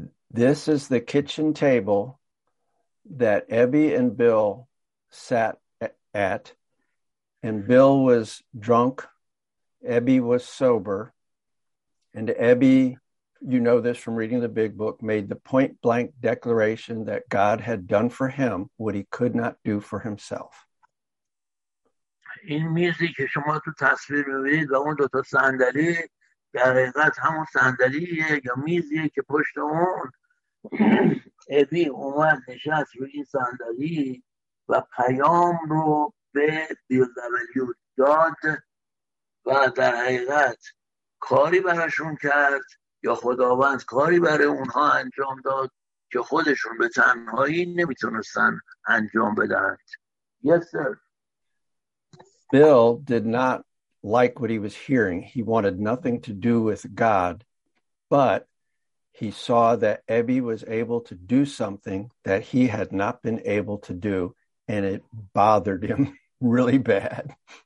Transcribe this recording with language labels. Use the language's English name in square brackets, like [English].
[English] This is the kitchen table that Ebi and Bill sat at, and Bill was drunk, Ebi was sober, and Ebi, you know this from reading the big book, made the point blank declaration that God had done for him what he could not do for himself. [Persian] این میزی که شما تو تصویر می‌بینید و اون دو تا صندلی در حقیقت همون صندلیه یا میزیه که پشت اون ابی اومد نشست روی این صندلی و پیام رو به بیل دبلیو داد و در حقیقت کاری براشون کرد یا خداوند کاری برای اونها انجام داد که خودشون به تنهایی نمیتونستن انجام بدن. [English] Yes sir. Bill did not like what he was hearing. He wanted nothing to do with God, but he saw that Ebi was able to do something that he had not been able to do, and it bothered him really bad.